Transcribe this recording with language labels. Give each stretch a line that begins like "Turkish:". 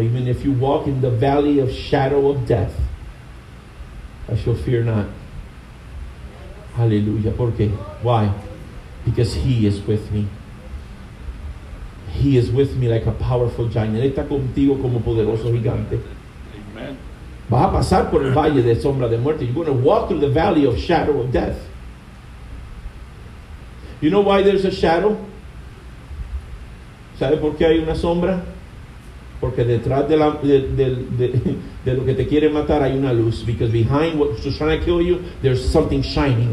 English: Even if you walk in the valley of shadow of death, I shall fear not. Hallelujah.
Spanish: ¿Por qué?
English: Why? Because He is with me. He is with me like a powerful giant.
Spanish: Él está contigo como poderoso gigante.
English: Amen.
Spanish: Vas a pasar por el valle de sombra de muerte.
English: You're going to walk through the valley of shadow of death. You know why there's a shadow?
Spanish: ¿Sabe por qué hay una sombra? Porque detrás de, la, de lo que te quiere matar hay una luz.
English: Because behind what's trying to kill you, there's something shining.